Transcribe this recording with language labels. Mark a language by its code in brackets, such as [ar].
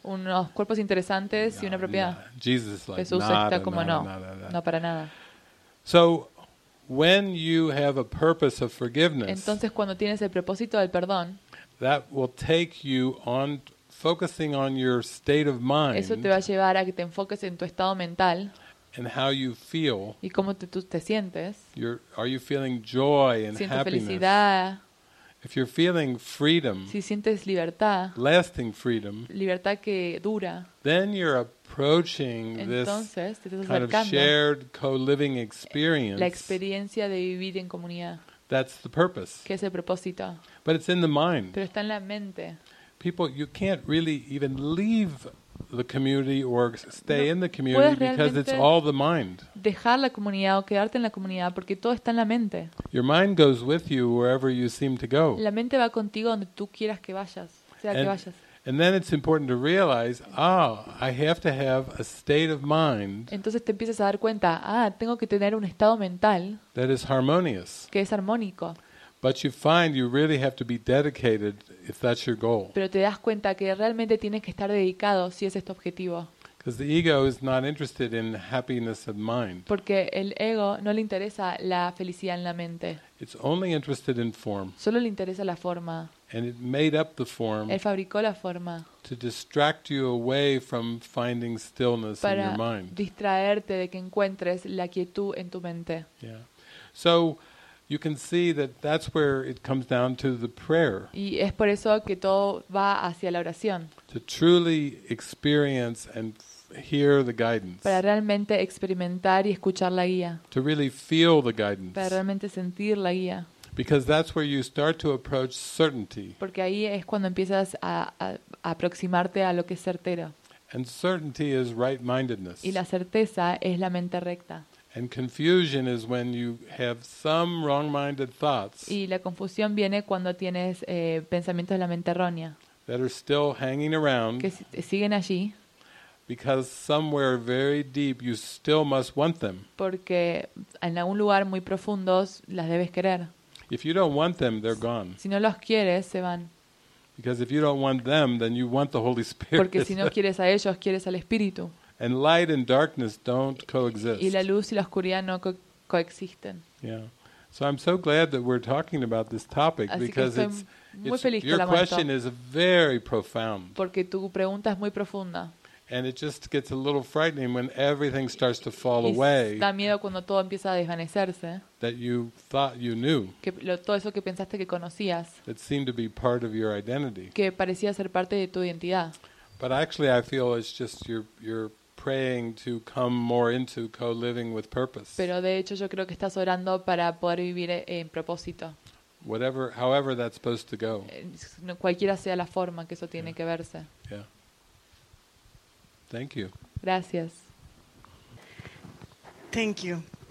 [es] Unos cuerpos interesantes y una propiedad. [en] Jesus is like, [es] Jesús está como no, no para nada. [en] So, when you have a purpose of forgiveness, [es] entonces cuando tienes el propósito del perdón, [en] that will take you on focusing on your state of mind. [es] Eso te va a llevar a que te enfoques en tu estado mental. [en] And how you feel? [es] ¿Y cómo tú te sientes? [en] Are you feeling joy and [es] siento [en] happiness? [es] Felicidad. [en] If you're feeling freedom, [es] si sientes libertad, [en] lasting freedom, [es] libertad que dura, [en] then you're approaching [es] entonces, [en] this kind of shared co-living experience. [es] La experiencia de vivir en comunidad. [en] That's the purpose. [es] Que es el propósito. [en] But it's in the mind. [es] Pero está en la mente. [en] People, you can't really even leave the community or stay [es] no, [en] in the community because it's all the mind. [es] Dejar la comunidad o quedarte en la comunidad porque todo está en la mente. [en] Your mind goes with you wherever you seem to go. [es] La mente va contigo donde tú quieras que vayas, sea que vayas. [en] And then it's important to realize, ah, I have to have a state of mind. [es] Entonces te empiezas a dar cuenta, ah, tengo que tener un estado mental. [en] That is harmonious. [es] Que es armónico. [en] But you find you really have to be dedicated if that's your goal. [es] Pero te das cuenta que realmente tienes que estar dedicado si ese es tu objetivo. [en] Because the ego is not interested in happiness of mind. [es] Porque el ego no le interesa la felicidad en la mente. [en] It's only interested in form. [es] Solo le interesa la forma. [en] And it made up the form. [es] Él fabricó la forma. [en] To distract you away from finding stillness in your mind. [es] Para distraerte de que encuentres la quietud en tu mente. [en] Yeah. So you can see that that's where it comes down to the prayer. [es] Y es por eso que todo va hacia la oración. [en] To truly experience and hear the guidance. [es] Para realmente experimentar y escuchar la guía. [en] To really feel the guidance. [es] Para realmente sentir la guía. [en] Because that's where you start to approach certainty. [es] Porque ahí es cuando empiezas a aproximarte a lo que es certero. [en] And certainty is right-mindedness. [es] Y la certeza es la mente recta. [en] And confusion is when you have some wrong-minded thoughts. [es] Y la confusión viene cuando tienes pensamientos de la mente errónea. [en] That are still hanging around. [es] Que siguen allí. [en] Because somewhere very deep you still must want them. [es] Porque en algún lugar muy profundo las debes querer. [en] If you don't want them, they're gone. [es] Si no los quieres, se van. [en] Because if you don't want them, then you want the Holy Spirit. [es] Porque si no quieres a ellos, quieres al Espíritu. [en] And light and darkness don't coexist. [es] Y la luz y la oscuridad no coexisten. [en] Yeah. So I'm so glad that we're talking about this topic because your question is very profound. [es] Porque tu pregunta es muy profunda. [en] And it just gets a little frightening when everything starts to fall away. [es] Da miedo cuando todo empieza a desvanecerse. [en] That you thought you knew. [es] Que todo eso que pensaste que conocías. [en] That seemed to be part of your identity. [es] Que parecía ser parte de tu identidad. [en] But actually, I feel it's just you're praying to come more into co-living with purpose. [es] Pero de hecho, yo creo que estás orando para poder vivir en propósito. [en] Whatever, however that's supposed to go. [es] Cualquiera sea la forma que eso tiene que verse. [en] Yeah. Thank you. [es] Gracias. [en] Thank you.